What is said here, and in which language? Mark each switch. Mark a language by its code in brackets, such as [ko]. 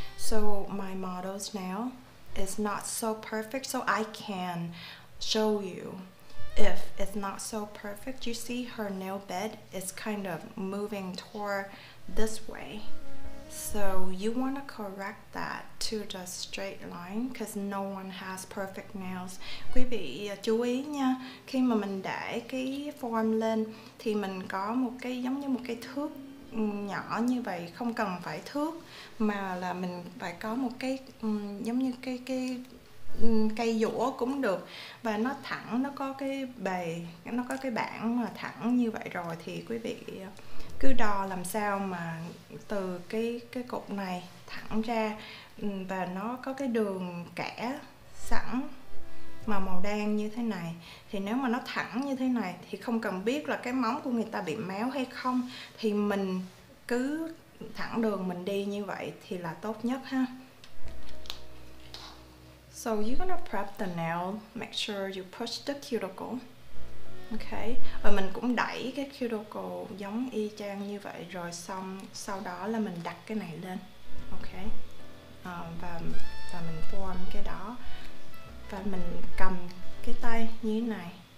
[en] So my model's nail is not so perfect, so I can show you if it's not so perfect. You see her nail bed is kind of moving toward this way. So you want to correct that to the straight line, because no one has perfect nails. [vi] Quý vị chú ý nha, khi mà mình để cái form lên thì mình có một cái giống như một cái thước nhỏ như vậy, không cần phải thước mà là mình phải có một cái giống như cái cây dũa cũng được, và nó thẳng, nó có cái bề, nó có cái bảng mà thẳng như vậy rồi, thì quý vị cứ đo làm sao mà từ cái cục này thẳng ra và nó có cái đường kẻ sẵn mà màu đen như thế này. Thì nếu mà nó thẳng như thế này thì không cần biết là cái móng của người ta bị méo hay không, thì mình cứ thẳng đường mình đi như vậy thì là tốt nhất ha. [en] So you're gonna prep the nail, make sure you push the cuticle. [vi] Okay, và mình cũng đẩy cái cuticle giống y chang như vậy, rồi xong sau đó là mình đặt cái này lên. Okay, và mình form cái đó, và mình cầm cái tay như thế này.